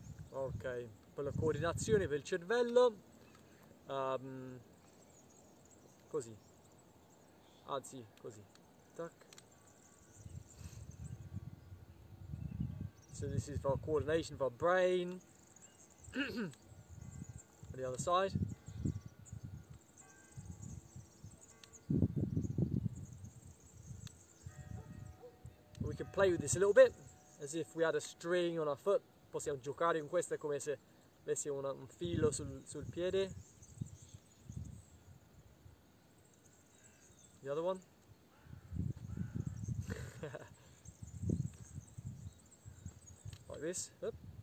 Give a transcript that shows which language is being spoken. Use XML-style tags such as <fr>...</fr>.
<it>Ok, per la coordinazione per il cervello, così, anzi così, tac.</it> <en>So this is for coordination for brain, on the other side. We can play with this a little bit, as if we had a string on our foot.</en> <it>Possiamo giocare con questa come se avessi un filo sul piede.</it> <en>The other one. Like this. Oop.</en>